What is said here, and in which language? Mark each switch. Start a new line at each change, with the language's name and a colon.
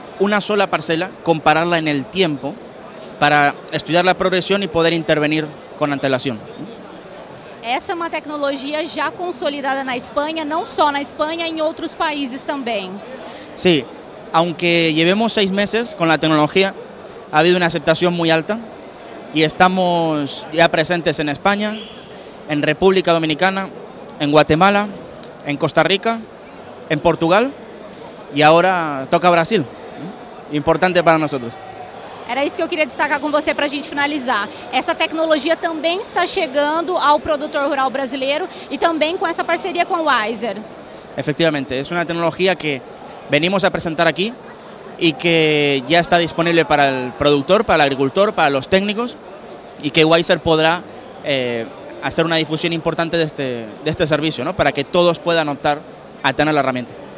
Spanish: Una sola parcela, compararla en el tiempo para estudiar la progresión y poder intervenir con antelación.
Portuguese: Essa é uma tecnologia já consolidada na Espanha, não só na Espanha, em outros países também.
Spanish: Sí, aunque llevemos 6 meses con la tecnología, ha habido una aceptación muy alta y estamos ya presentes en España, en República Dominicana, en Guatemala, en Costa Rica, en Portugal y ahora toca Brasil. Importante para nosotros.
Portuguese: Era isso que eu queria destacar com você para a gente finalizar. Essa tecnologia também está chegando ao produtor rural brasileiro e também com essa parceria com o Weiser. Efectivamente, é uma tecnologia que venimos a apresentar aqui e que já está disponível para o produtor, para o agricultor, para os técnicos e que o Weiser poderá fazer uma difusão importante deste serviço, ¿no?, para que todos possam optar a ter a ferramenta.